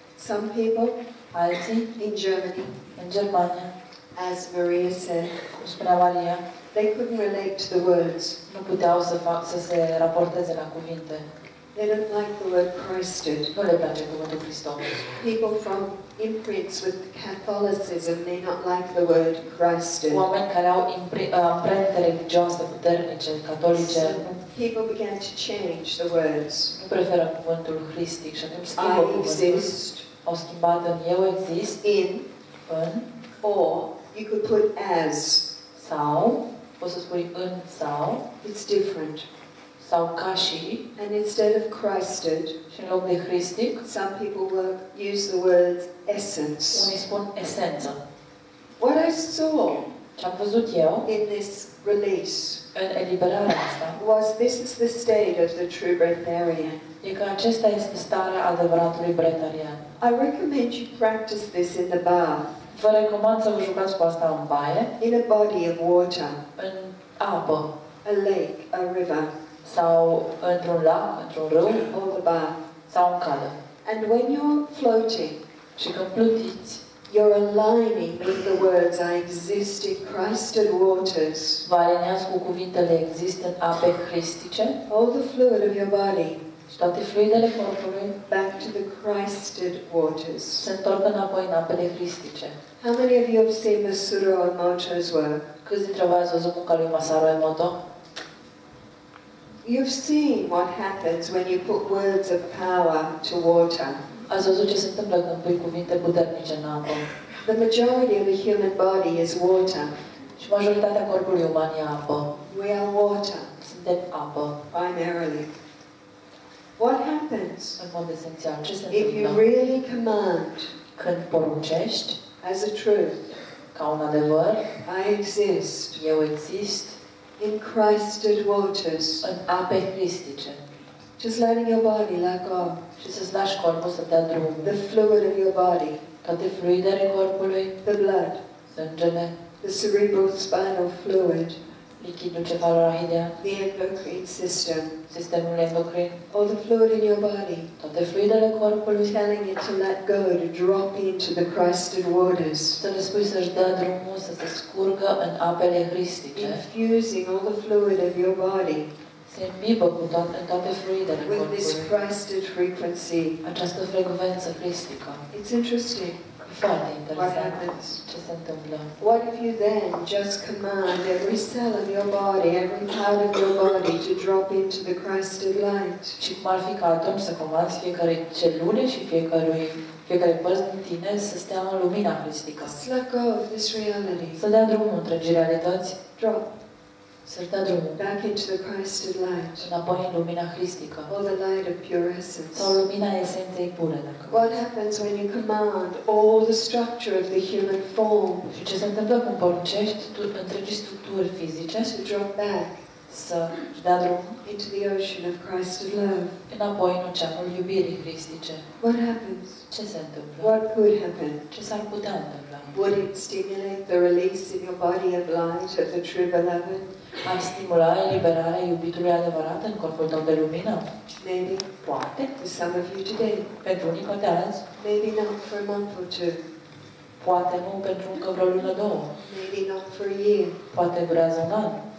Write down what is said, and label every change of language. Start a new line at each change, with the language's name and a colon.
English: Some people.
Romanian: Alții,
English: in Germany,
Romanian: in Germania,
English: as Maria said,
Romanian: cum spunea Maria,
English: they couldn't relate to the words.
Romanian: Nu puteau să se raporteze la cuvinte.
English: They don't like the word Christed.
Romanian: Nu le place cuvântul Hristos.
English: People from imprints with Catholicism may not like the word Christed.
Romanian: Oameni care au imprente religioase puternice, catolice.
English: People began to change the words.
Romanian: Nu preferă cuvântul Hristic și atunci schimbă cuvântul.
English: I exist.
Romanian: Au schimbat în eu exist,
English: in,
Romanian: în,
English: or, you could put as,
Romanian: sau, poți să spui în, sau,
English: it's different,
Romanian: sau ca și,
English: and instead of Christed,
Romanian: și în loc de Hristic,
English: some people will use the word essence,
Romanian: unii spun esență.
English: What I saw,
Romanian: ce-am văzut eu,
English: in this release,
Romanian: în eliberarea asta,
English: was this is the state of the true breatharian.
Romanian: E că acesta este starea adevăratului breatharian.
English: I recommend you practice this in the bath.
Romanian: Vă recomand să vă jucați cu asta în baie.
English: In a body of water.
Romanian: În apă.
English: A lake, a river.
Romanian: Sau într-un lac, într-un râu.
English: Or the bath.
Romanian: Sau în cală.
English: And when you're floating.
Romanian: Și când plutiți.
English: You're aligning with the words I exist in Christed waters.
Romanian: Vă aliniați cu cuvintele exist în ape Hristice.
English: All the fluid of your body.
Romanian: Și toate fluidele corpului
English: back to the Christed waters.
Romanian: Se întorc înapoi în apele Hristice.
English: How many of you have seen Masaru Emoto's work?
Romanian: Câți dintre voi ați văzut munca lui Masaru Emoto?
English: You've seen what happens when you put words of power to water.
Romanian: Ați văzut ce se întâmplă când pui cuvinte puternice în apă.
English: The majority of the human body is water.
Romanian: Și majoritatea corpului uman e apă.
English: We are water.
Romanian: Suntem apă.
English: Primarily. What happens
Romanian: esențial,
English: if you really command
Romanian: când poruncești,
English: as a truth,
Romanian: ca un adevăr,
English: I exist,
Romanian: eu exist,
English: in Christed waters,
Romanian: în ape Hristice,
English: just letting your body let go,
Romanian: și să-ți lași corpul să dea drumul,
English: the fluid of your body,
Romanian: toate fluidele corpului,
English: the blood,
Romanian: sângele,
English: the cerebrospinal fluid,
Romanian: lichidul cefalorahidean,
English: the endocrine system,
Romanian: sistemul endocrin,
English: all the fluid in your body,
Romanian: toate fluidele corpului,
English: telling it to let go, to drop into the Christed waters,
Romanian: să le spui să-și dea drumul, să se scurgă în apele Hristice,
English: infusing all the fluid of your body,
Romanian: se imbibă cu toate fluidele corpului,
English: with this Christed frequency,
Romanian: această frecvență Hristică.
English: It's interesting. What if you then just command every cell of your body, every part of your body to drop into the Christ of light?
Romanian: Și cum ar fi ca atunci să comanzi fiecare celule și fiecărui fiecare părț din tine să stea în lumina Hristică?
English: Let go of this reality.
Romanian: Să dea drumul întregii realități.
English: Drop.
Romanian: Să-l dea drumul.
English: Back into the Christ of light.
Romanian: Înapoi în lumina Hristică.
English: All the light of pure essence.
Romanian: Sau lumina esenței pure, dacă.
English: What happens when you command all the structure of the human form?
Romanian: Și ce se întâmplă cum poruncești întregii structuri fizice?
English: To drop back.
Romanian: Să-și dea drumul.
English: Into the ocean of Christ of love.
Romanian: Înapoi în oceanul iubirii Hristice.
English: What happens?
Romanian: Ce se întâmplă?
English: What could happen?
Romanian: Ce s-ar putea întâmpla?
English: Would it stimulate the release in your body of light of the true beloved?
Romanian: Ar stimula eliberarea iubitului adevărat în corpul tău de lumină?
English: Maybe.
Romanian: Poate.
English: For some of you today.
Romanian: Pentru unii poate azi.
English: Maybe not for a month or two.
Romanian: Poate nu pentru încă vreo lună două.
English: Maybe not for a year.
Romanian: Poate durează un an.